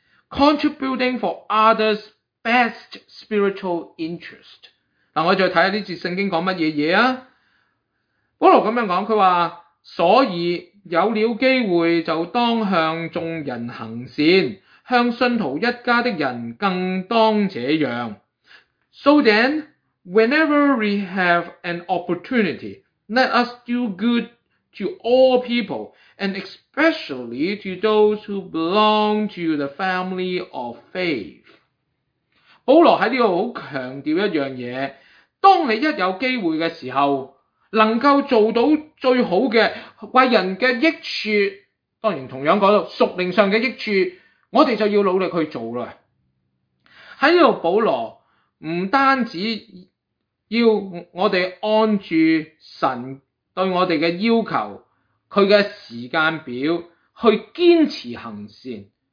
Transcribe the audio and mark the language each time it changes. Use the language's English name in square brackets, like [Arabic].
[English] Contributing for others' best spiritual interest。 [Cantonese] 嗱，我再睇下呢節聖經講乜嘢嘢啊？保羅咁樣講，佢話：所以有了機會就當向眾人行善，向信徒一家的人更當這樣。 [English] So then,Whenever we have an opportunity, let us do good to all people, and especially to those who belong to the family of faith. [Cantonese] 保罗在这里很强调一件事，当你一有机会的时候，能够做到最好的，为人的益处，当然同样讲到属灵上的益处，我们就要努力去做了。在这里保罗不单止要我哋按住神对我哋嘅要求，佢嘅时间表去坚持行善。